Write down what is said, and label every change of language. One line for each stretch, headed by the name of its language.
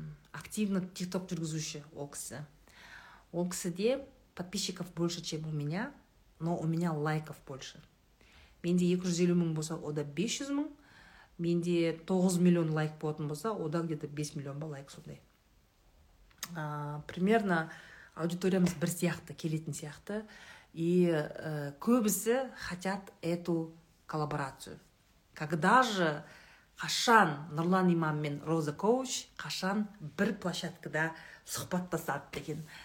Kazakh: Активно TikTok жүргізуші ол кісі. Ол кісіде
Russian: подписчиков больше, чем у меня, но у меня лайков больше.
Kazakh: Менде 250 мың болса, ода 500 мың. Менде 9 миллион лайк болатын болса, ода
Russian: где-то
Kazakh: 5 миллион ба лайк сондай. Примерно аудиториямыз бір сияқты, келетін сияқты.
Russian: И көбісі хотят эту коллаборацию. Когда же
Kazakh: қашан Нұрлан имам мен Роза Коуч қашан бір площадкада сұхбаттасады деген.